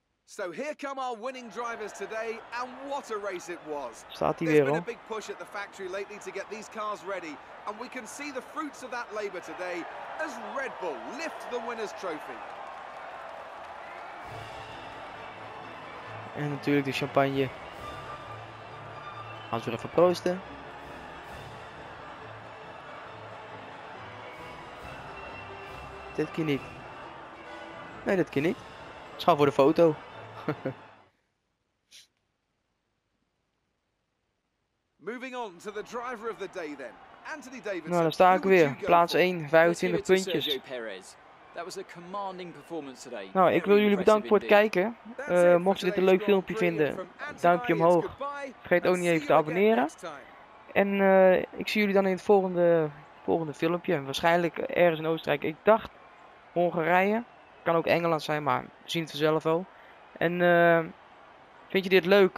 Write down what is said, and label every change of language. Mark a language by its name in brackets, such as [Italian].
[English] So here come our winning drivers today, and what a race it was. [Dutch] Staat hij weer, hoor. [English] There's been a big push at the factory lately to get these cars ready, and we can see the fruits of that labor today as Red Bull lift the winner's trophy. [Dutch] En natuurlijk de champagne. Gaan we weer even proosten. Dit keer niet. Nee, dit keer niet. Het is gewoon voor de foto. [English] Moving on to the driver of the day then. Anthony Davidson. [Dutch] Nou, daar sta ik weer. Plaats 1, 25 puntjes. [English] That was a commanding performance today. [Dutch] Nou, ik wil jullie bedanken voor het kijken. Mocht je dit een leuk filmpje vinden, duimpje omhoog. Vergeet ook niet even te abonneren. En ik zie jullie dan in het volgende filmpje. Waarschijnlijk ergens in Oostenrijk. Ik dacht Hongarije. Kan ook Engeland zijn, maar we zien het vanzelf wel. En vind je dit leuk?